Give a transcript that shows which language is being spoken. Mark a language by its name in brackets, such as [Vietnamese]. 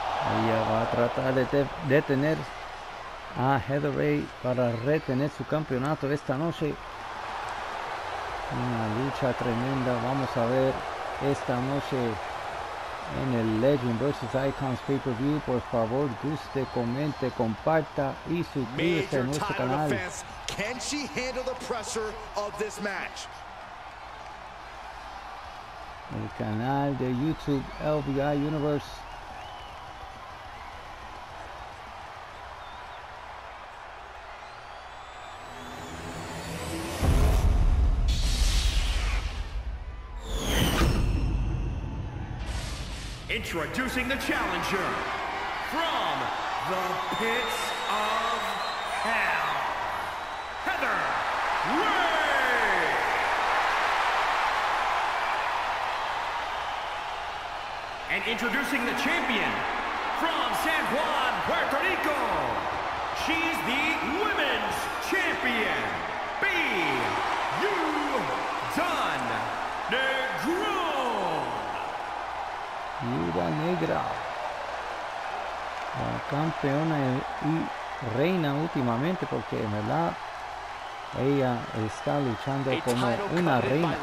[Spanish] Ella va a tratar de detener a Heather Ray para retener su campeonato esta noche. Una lucha tremenda vamos a ver esta noche en el Legend vs. Icons pay-per-view. Por favor, guste, comente, comparta y suscríbete a nuestro canal. [English] Can she handle the pressure of this match? [Spanish] El canal de YouTube Lvi Universe. [English] Introducing the challenger from the pits of hell, Heather Ray. And introducing the champion from San Juan, Puerto Rico, she's the women's champion, [Spanish] Viuda Negra, la campeona y reina últimamente, porque en verdad ella está luchando como una reina.